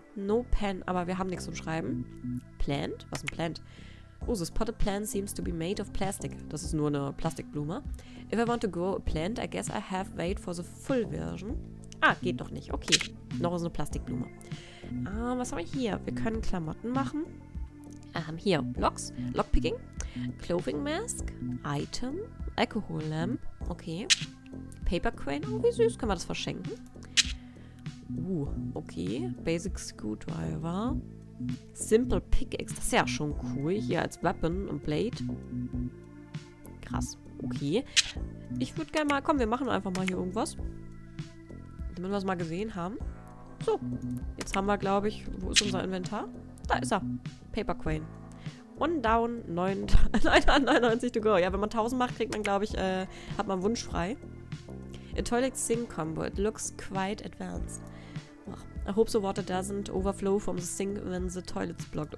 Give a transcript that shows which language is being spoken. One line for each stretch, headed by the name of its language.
English: No pen,
German: aber wir haben nichts zum Schreiben. Plant? Was ist ein Plant?
English: Oh, this potted plant seems to be made of plastic.
German: Das ist nur eine Plastikblume.
English: If I want to grow a plant, I guess I have to wait for the full version.
German: Ah, geht noch nicht. Okay. Noch so eine Plastikblume. Was haben wir hier? Wir können Klamotten machen. Hier. Blocks. Lockpicking. Clothing Mask. Item. Alcohol Lamp. Okay. Paper Crane. Oh, wie süß. Können wir das verschenken? Okay. Basic Screwdriver. Simple Pickaxe. Das ist ja schon cool. Hier als Weapon und Blade. Krass. Okay. Ich würde gerne mal... Komm, wir machen einfach mal hier irgendwas. Damit wir es mal gesehen haben. So, jetzt haben wir, glaube ich, wo ist unser Inventar? Da ist er. Paper Crane.
English: One down, 99 to go.
German: Ja, wenn man 1000 macht, kriegt man, glaube ich, hat man Wunsch frei.
English: A toilet sink combo. It looks quite advanced. Oh. I hope the water doesn't overflow from the sink when the toilet's blocked.